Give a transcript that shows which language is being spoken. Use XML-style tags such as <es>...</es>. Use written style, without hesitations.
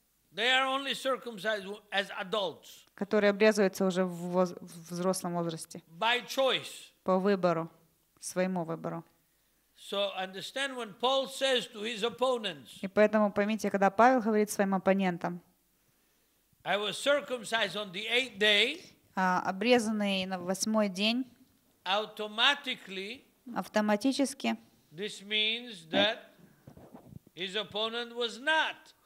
<en>They are only circumcised as adults.</en> <ru>Которые обрезываются уже в взрослом возрасте.</ru> <en>By choice.</en> <ru>По выбору, своему выбору.</ru> <en>So understand when Paul says to his opponents.</en> <ru>И поэтому поймите, когда Павел говорит своим оппонентам.</ru> <en>I was circumcised on the eighth day.</en> <ru>Обрезанный на восьмой день.</ru> <en>Automatically.</en> <ru>Автоматически.</ru> <en>This means that his opponent was not.</en>